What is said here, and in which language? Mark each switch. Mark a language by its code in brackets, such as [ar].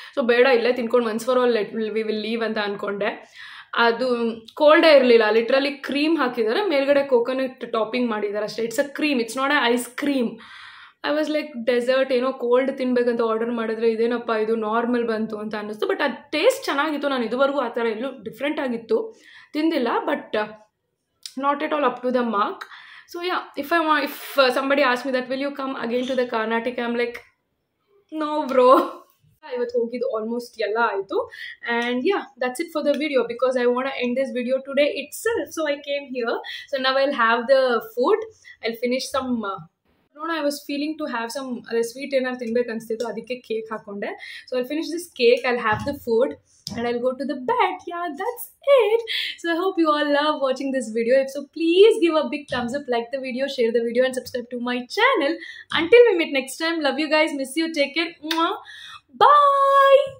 [kn] So ಬೇಡ, ಇಲ್ಲೇ ತಿನ್ಕೊಂಡು ಮನ್ಸ್ಫರ್ ಅಲ್ಲಿ ವಿ ವಿಲ್ ಲೀವ್ ಅಂತ ಅಂದ್ಕೊಂಡೆ. ಅದು ಕೋಲ್ಡೇ ಇರಲಿಲ್ಲ, ಲಿಟ್ರಲಿ ಕ್ರೀಮ್ ಹಾಕಿದ್ದಾರೆ ಮೇಲ್ಗಡೆ, ಕೋಕೋನಟ್ ಟಾಪಿಂಗ್ ಮಾಡಿದ್ದಾರೆ ಅಷ್ಟೇ, [en] It's a cream, it's not a ice cream. I was like [kn] dessert ಏನೋ ಕೋಲ್ಡ್ ತಿನ್ಬೇಕಂತ ಆರ್ಡರ್ ಮಾಡಿದ್ರೆ ಇದೇನಪ್ಪ ಇದು ನಾರ್ಮಲ್ ಬಂತು ಅಂತ ಅನ್ನಿಸ್ತು. ಬಟ್ ಅದು ಟೇಸ್ಟ್ ಚೆನ್ನಾಗಿತ್ತು, ನಾನು ಇದುವರೆಗೂ ಆ ಥರ ಎಲ್ಲೂ ಡಿಫ್ರೆಂಟ್ ಆಗಿತ್ತು ತಿಂದಿಲ್ಲ. [en] But not at all up to the mark. So yeah, if I want, if somebody asks me that, will you come again to the Karnataka? I'm like, no, bro. [kn] ಇವತ್ತು ಹೋಗಿದ್ದು ಆಲ್ಮೋಸ್ಟ್ ಎಲ್ಲ ಆಯಿತು [en] and yeah that's it for the video because I want end this video today itself so I came here so now I will have the food I will finish some ನೋಡೋಣ I was feeling to have some [kn] ಅದೇ sweet ಏನಾರು ತಿನ್ಬೇಕು ಅನಿಸ್ತಿತ್ತು ಅದಕ್ಕೆ cake ಹಾಕೊಂಡೆ [en] So I finish this cake I will have the food and I will go to the bed yeah that's it so I hope you all love watching this video so please give a big thumbs up like the video share the video and subscribe to my channel until we meet next time love you guys miss you take care bye.